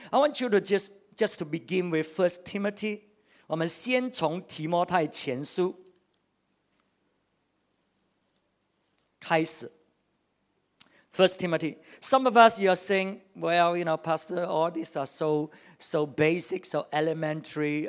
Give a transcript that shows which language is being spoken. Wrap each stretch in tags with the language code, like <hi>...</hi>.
<en>I want you to just to begin with 1 Timothy.</en> <zh>我们先从提摩太前书开始。</zh> <en>First Timothy. Some of us, you are saying, well, you know, Pastor, all these are so basic, so elementary.</en>